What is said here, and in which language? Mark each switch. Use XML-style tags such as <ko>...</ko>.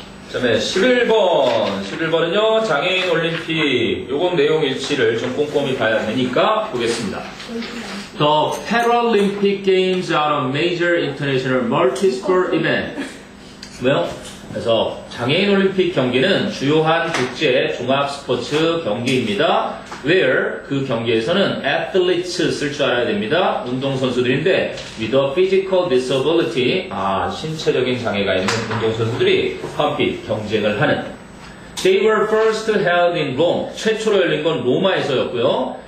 <ko>그다음에 11번은요 장애인 올림픽 요건 내용 일치를 좀 꼼꼼히 봐야 되니까 보겠습니다.</ko> <en>The Paralympic Games are a major international multi-sport event.</en> <ko>뭐요? 그래서 장애인 올림픽 경기는 주요한 국제 종합 스포츠 경기입니다.</ko> <en>Where</en> <ko>그 경기에서는 athletes 쓸 줄 알아야 됩니다. 운동선수들인데</ko> <en>with a physical disability</en> <ko>아 신체적인 장애가 있는 운동선수들이 compete 경쟁을 하는</ko> <en>They were first held in Rome</en> <ko>최초로 열린 건 로마에서였고요.</ko>